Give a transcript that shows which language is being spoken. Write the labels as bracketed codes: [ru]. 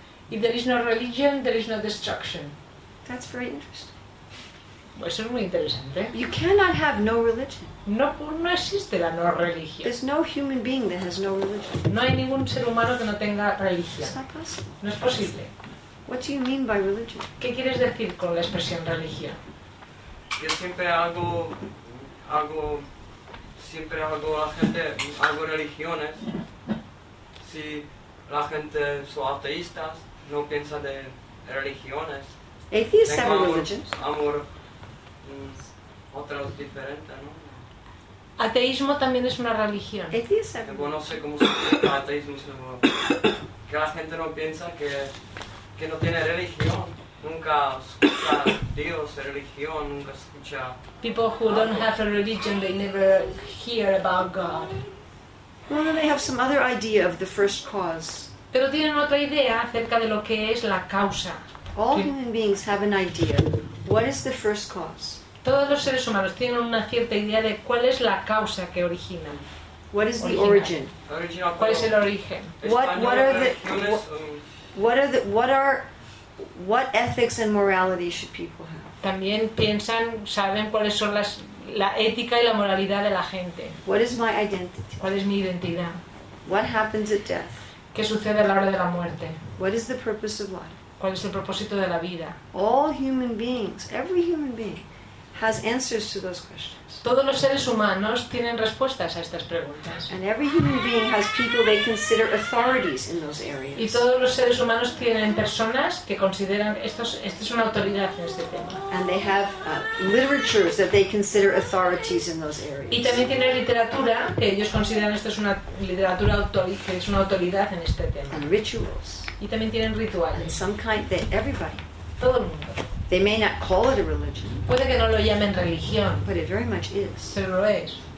[en] If there is no religion, there is no destruction. That's very interesting. [es] Eso es muy interesante. [en] You cannot have no religion. [es] No, no existe la no religión. [en] There's no human being that has no religion. [es] No hay ningún ser humano que no tenga religión. [en] It's not possible. [es] No es posible. [en] What do you mean by religion? [es] ¿Qué quieres decir con la expresión religión? Yo siempre hago a la gente, hago religiones. Si la gente son ateístas, no piensa de religiones. [en] Atheists have religions. [es] Amor, otras diferentes, ¿no? Ateísmo también es una religión. [en] Atheists have religions. [es] No sé cómo se llama ateísmo. Que la gente no piensa que no tiene religión, nunca escucha Dios, religión, nunca escucha. [en] People who don't have a religion, they never hear about God. Well, then they have some other idea of the first cause. [es] Pero tienen otra idea acerca de lo que es la causa. [en] All human beings have an idea. What is the first cause? [es] Todos los seres humanos tienen una cierta idea de cuál es la causa que originan. [en] What is the origin? [es] ¿Cuál es el origen? [en] What ethics and morality should people have? [es] También piensan, saben cuáles son la ética y la moralidad de la gente. [en] What is my identity? [es] ¿Cuál es mi identidad? [en] What happens at death? [es] ¿Qué sucede a la hora de la muerte? [en] What is the purpose of life? [es] ¿Cuál es el propósito de la vida? [en] All human beings, every human being has answers to those questions. [es] Todos los seres humanos tienen respuestas a estas preguntas. [en] And every human being has people they consider authorities in those areas. [es] Y todos los seres humanos tienen personas que consideran esto es una autoridad en este tema. [en] And they have literatures that they consider authorities in those areas. [es] Y también tienen literatura que ellos consideran esto es una literatura que es una autoridad en este tema. [en] And rituals. [es] Y también tienen rituales. [en] And some kind that everybody. [es] Todo el mundo. [en] They may not call it a religion. [es] Puede que no lo llamen religión. [en] But it very much is. [es] Pero lo es.